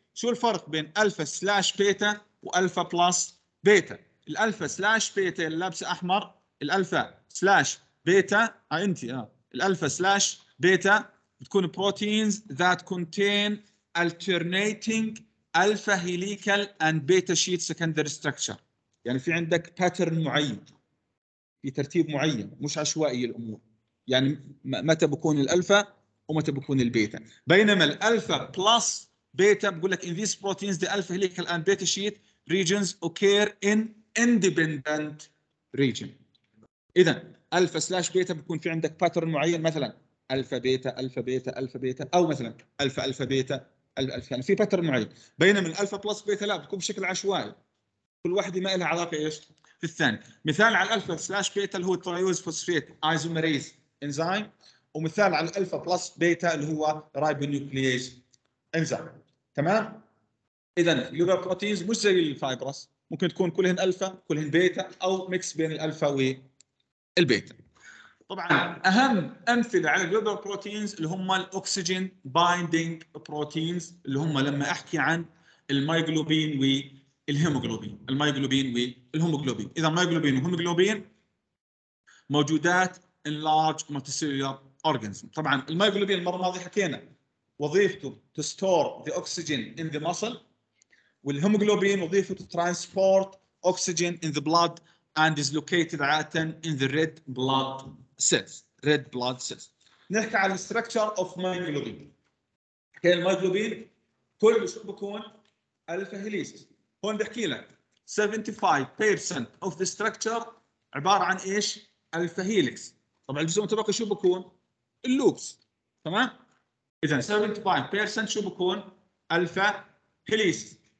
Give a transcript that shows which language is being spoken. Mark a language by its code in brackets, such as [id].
[ar] شو الفرق بين الفا سلاش بيتا والفا بلس بيتا؟ الالفا سلاش بيتا اللي لابسه احمر، الالفا سلاش بيتا الالفا سلاش بيتا بتكون بروتينز ذات كونتين الترنيتنج الفا هيليكال اند بيتا شيت سكندري ستراكشر. يعني في عندك باترن معين في ترتيب معين، مش عشوائي الامور، يعني متى بكون الالفا ومتى بكون البيتا. بينما الالفا بلس بيتا بقول لك [en] in these proteins the alpha helical and beta sheet regions occur in independent region. [ar] اذا الفا سلاش بيتا بكون في عندك pattern معين، مثلا الفا بيتا الفا بيتا الفا بيتا، او مثلا الفا الفا بيتا الفا الفا، يعني في pattern معين. بينما الالفا بلس بيتا لا، بتكون بشكل عشوائي، كل واحده ما لها علاقه ايش في الثاني. مثال على الالفا سلاش بيتا اللي هو ترايوز فوسفيت ايزومريز انزيم، ومثال على الالفا بلس بيتا اللي هو رايبونوكليز انزيم. تمام. اذا الجلوبال بروتينز مش زي الفايبرس، ممكن تكون كلهن الفا كلهن بيتا او ميكس بين الالفا والبيتا. طبعا اهم امثله على الجلوبال بروتينز اللي هم الاكسجين بايندينج بروتينز، اللي هم لما احكي عن المايوجلوبين والهيموجلوبين، المايوجلوبين والهيموجلوبين. اذا المايوجلوبين والهيموجلوبين موجودات ان لارج مالتي سيلولار اورجانزم. طبعا المايوجلوبين المره الماضيه حكينا وظيفته [en] to store the oxygen in the muscle، [ar] والهيموجلوبين وظيفته [en] to transport oxygen in the blood and is located عادة in the red blood cells. Red blood cells. [ar] نحكي على [en] structure of myoglobin. [ar] حكي الميوجلوبين كل شو بكون؟ الفا هيليس. هون بحكي لك [en] 75% of the structure [ar] عبارة عن ايش؟ الفا هيليكس. طبعا الجزء المتبقي شو بكون؟ اللوبس. تمام؟ إذا 75% شو بكون؟ ألفا هيليس.